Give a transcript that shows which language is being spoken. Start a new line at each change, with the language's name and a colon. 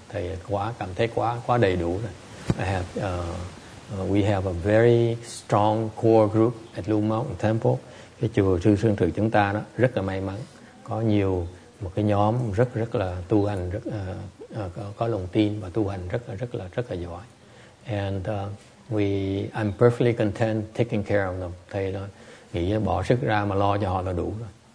Vietnamese: Thầy cảm thấy quá đầy đủ rồi.
English: We have a very strong core group at Lu Mountain Temple.
Vietnamese: Cái chùa Lưu Sơn Tự chúng ta đó rất là may mắn. Có nhiều một cái nhóm rất là tu hành, có lòng tin và tu hành rất là giỏi.
English: And I'm perfectly content taking care of them.
Vietnamese: Thầy là nghĩ bỏ sức ra mà lo cho họ là đủ rồi.